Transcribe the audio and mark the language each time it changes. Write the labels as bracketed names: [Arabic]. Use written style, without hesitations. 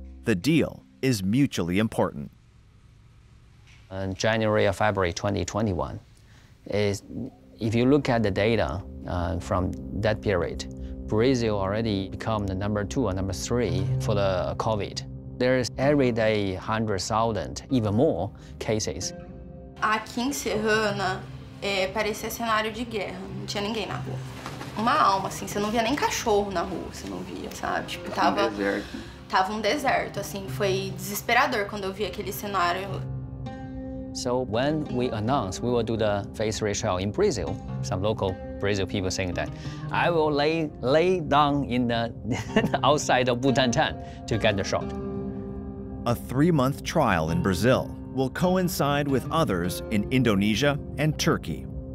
[English] The deal is mutually important. In January or February 2021, if you look at the data from that period, Brazil already become the number 2 or number 3 for the COVID. There is every day 100,000, even more, cases. [Portuguese] Aqui em Serrana, parecia cenário de guerra, não tinha ninguém na rua. Uma alma, assim, você não via nem cachorro na rua, você não via, sabe? Tipo, tava um deserto, assim, foi desesperador quando eu vi aquele cenário. [English] So when we announced we will do the phase 3 trial in Brazil, some local Brazil people saying that, I will lay down in the outside of Butantan to get the shot. A 3-month trial in Brazil will coincide with others in Indonesia and Turkey.